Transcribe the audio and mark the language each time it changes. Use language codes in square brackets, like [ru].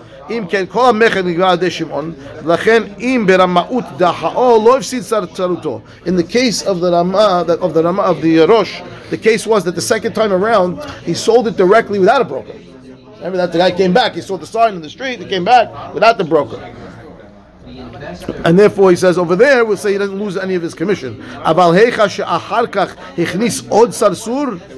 [he] אם כן כל המכר נקבע על ידי שמעון ולכן אם ברמאות דחאו לא הפסיד צרותו. [en] In the case of the Rosh, the case was that the second time around he sold it directly without a broker. Remember that the guy came back, he saw the sign in the street, he came back without the broker. And therefore he says over there we'll say he doesn't lose any of his commission. [he] אבל היכה שאחר כך הכניס עוד סרסור.